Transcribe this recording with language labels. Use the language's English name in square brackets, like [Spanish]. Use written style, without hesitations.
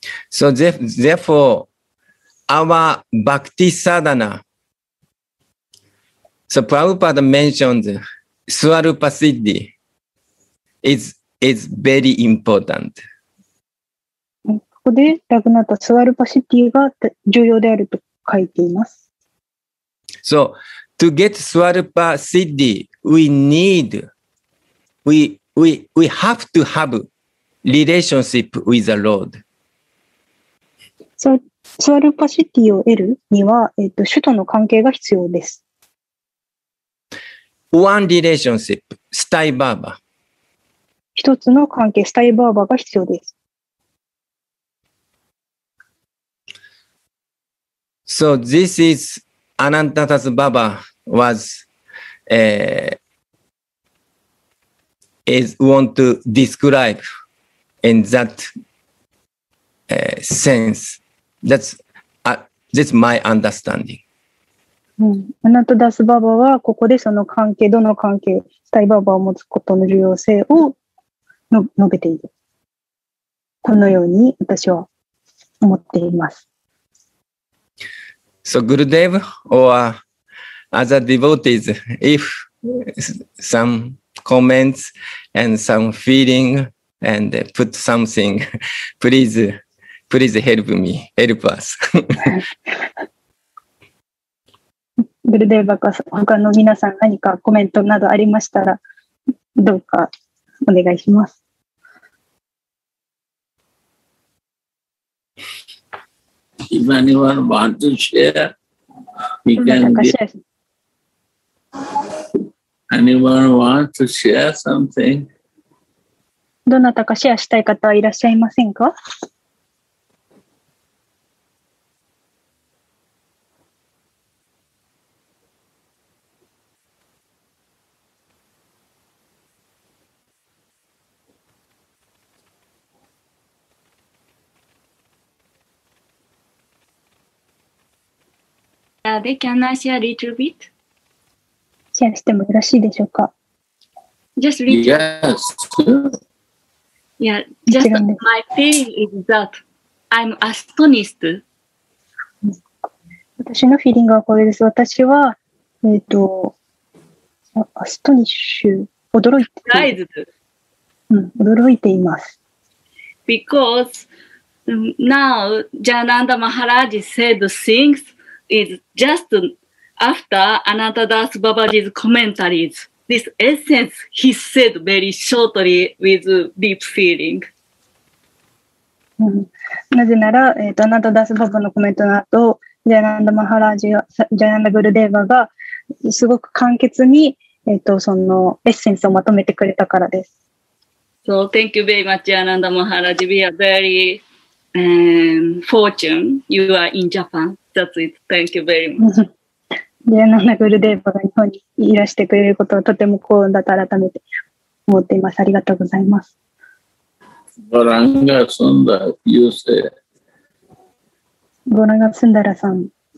[English] So therefore, our bhakti sadhana. So Prabhupada mentioned Swarupa Siddhi is very important. [Japanese] ここでラグナタスワルパシッディが重要であると書いています。 [English] So to get Swarupa Siddhi, we have to have relationship with the Lord. [Japanese] So Swarupa Siddhi を得るには、主との関係が必要です。 [English] One relationship, Stai Baba. [Japanese] 一つの関係、スタイバーバーが必要です。 [English] So this is Anantatas Baba was want to describe in that sense. That's my understanding. [Japanese] アナタダスババはここでその関係、どの関係、スタイババを持つことの重要性を述べている。このように私は思っています。 [English] So, Gurudev or other devotees, if some comments and some feeling and put something, please help me, help us. [Japanese] グルデーバーか他の皆さん何かコメントなどありましたらどうかお願いします。 [English] if anyone wants to share, we can get. Anyone want to share something? [Japanese] どなたかシェアしたい方はいらっしゃいませんか？ [English] Can I share a little bit? [Japanese] シェアしてもよろしいでしょうか? [English] Just read. Yes. Yeah, just my feeling is that I'm astonished. [Japanese] 私のフィーリングはこれです。私は、astonished, 驚いて。 [English] Surprised. [Japanese] うん、驚いています。 [English] Because now Jananda Maharaj said things. Is just after Anantadas Babaji's commentaries. This essence he said very shortly with deep feeling. [Japanese] なぜなら、Anantadas Baba のコメントの後、Jayananda Maharaj が、Jayananda Gurudeva がすごく簡潔に、そのエッセンスをまとめてくれたからです。 [English] So thank you very much, Jayananda Maharaj. We are very fortunate you are in Japan. That's it. Thank you very much. [Japanese] ジェナンダ・グルデーバが日本にいらしてくれることはとても幸運だと改めて思っています。ありがとうございます。ゴランガ・スンダラ、ユーセイ。ゴランガ・スンダラさん。